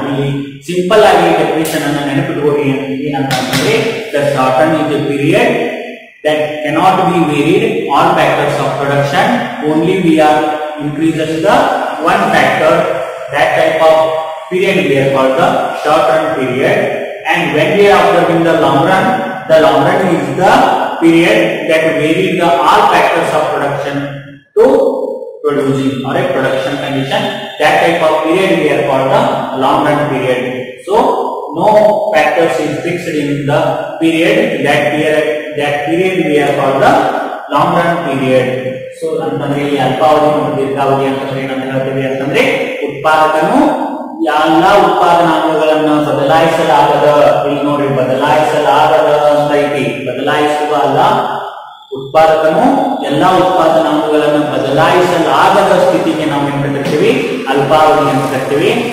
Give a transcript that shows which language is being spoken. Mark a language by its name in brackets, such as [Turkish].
[Kannada] ಇಲ್ಲಿ ಸಿಂಪಲ್ ಆಗಿ ಡೆಫಿನೇಷನ್ ಅನ್ನು ನೆನಪಿಟ್ಕೋರಿ ಏನಂತಂದ್ರೆ, [English] The short run is a period that cannot be varied all factors of production, only we are increases the one factor, that type of period we are called the short run period. And when we are observing the long run is the period that varies the all factors of production to producing or a production condition. That type of period we are called the long run period. So no factors is fixed in the period, that period we are called the long run period. [Kannada] So ಅಂತಂದ್ರೆ ಈ ಅಲ್ಪಾವಧಿ ಮತ್ತು ದೀರ್ಘಾವಧಿ ಅಂತಂದ್ರೆ ಏನಂತ ಹೇಳ್ತೀವಿ ಅಂತಂದ್ರೆ ಉತ್ಪಾದಕನು ಎಲ್ಲ ಉತ್ಪಾದನಾಂಗಗಳನ್ನು ಬದಲಾಯಿಸಲಾಗದ, ಇಲ್ಲಿ ನೋಡಿ ಬದಲಾಯಿಸಲಾಗದ ಅಂತ ಐತಿ, ಬದಲಾಯಿಸುವ ಅಲ್ಲ, ಉತ್ಪಾದಕನು ಎಲ್ಲ ಉತ್ಪಾದನಾಂಗಗಳನ್ನು ಬದಲಾಯಿಸಲಾಗದ ಸ್ಥಿತಿಗೆ ನಾವು ಏನ್ ಕರಿತೀವಿ ಅಲ್ಪಾವಧಿ ಅಂತ ಕರಿತೀವಿ.